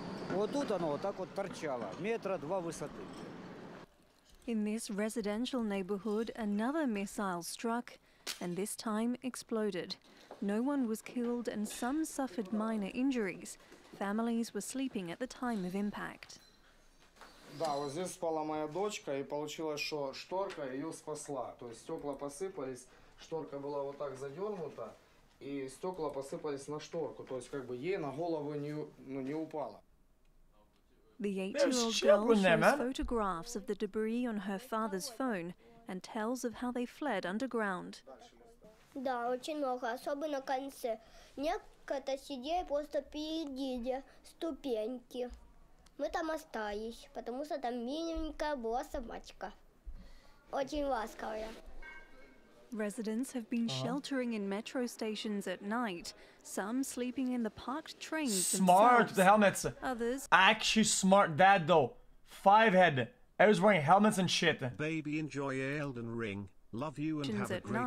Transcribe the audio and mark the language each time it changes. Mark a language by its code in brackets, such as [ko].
[ru] Вот тут оно вот так вот торчало, метра два высоты. [en] In this residential neighborhood, another missile struck, and this time exploded. No one was killed and some suffered minor injuries. Families were sleeping at the time of impact. [ru] Да, вот здесь спала моя дочка, и получилось, что шторка ее спасла. То есть стекла посыпались, шторка была вот так задернута. И стекла посыпались на шторку, то есть как бы ей на голову не упало. [en] The 8-year-old girl shows photographs of the debris on her father's phone and tells of how they fled underground. [ru] Да, очень много, особенно в конце. Некоторые сидели просто впереди ступеньки. Мы там остались, потому что там миленькая была собачка. Очень ласковая. [en] Residents have been sheltering in metro stations at night, some sleeping in the parked trains. Smart, the helmets. Others. Actually smart dad though. Five head. I was wearing helmets and shit. Baby, enjoy Elden Ring. Love you and have a great